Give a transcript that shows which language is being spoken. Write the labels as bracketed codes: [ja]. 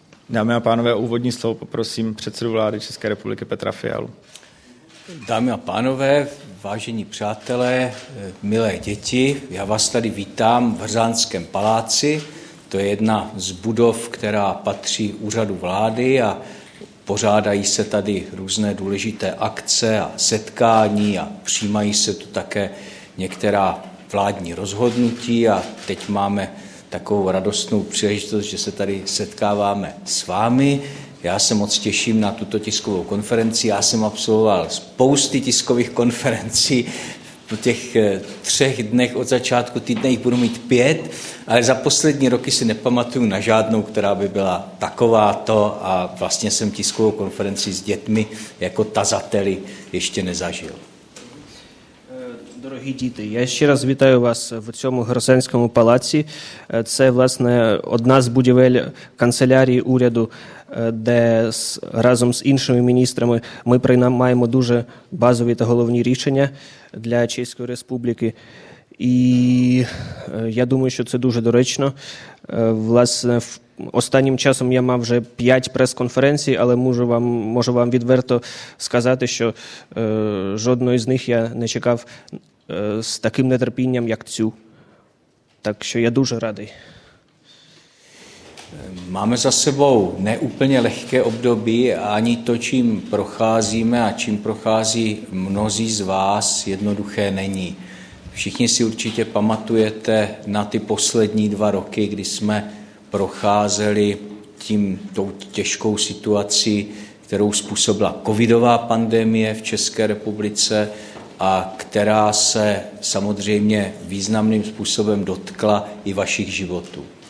[cs] Дами а панове, уводні слово попросим předsedu влади České republiky Петра Фіалу. Дами а панове, vážení přátelé, milé děti, já vás tady vítám v Hrzánském paláci. To je jedna z budov, která patří úřadu vlády a pořádají se tady různé důležité akce a setkání a přijímají se tu také některá vládní rozhodnutí a teď máme takovou radostnou příležitost, že se tady setkáváme s vámi. Já se moc těším na tuto tiskovou konferenci. Já jsem absolvoval spousty tiskových konferencí. Po těch třech dnech od začátku týdne jich budu mít 5, ale za poslední roky si nepamatuju na žádnou, která by byla takováto a vlastně jsem tiskovou konferenci s dětmi jako tazateli ještě nezažil. [uk] Дорогі діти, я ще раз вітаю вас в цьому Гросенському палаці. Це, власне, одна з будівель канцелярії уряду, де разом з іншими міністрами ми приймаємо дуже базові та головні рішення для Чеської Республіки. І я думаю, що це дуже доречно. Власне, останнім часом я мав вже 5 прес-конференцій, але можу вам відверто сказати, що жодної з них я не чекав з таким нетерпінням, як цю. Так що я дуже радий. [cs] Máme za sebou neúplně lehké období, ani to, čím procházíme a čím prochází mnozí z vás, jednoduché není. Všichni si určitě pamatujete na ty poslední 2 roky, kdy jsme procházeli tou těžkou situací, kterou způsobila covidová pandemie v České republice a která se samozřejmě významným způsobem dotkla i vašich životů.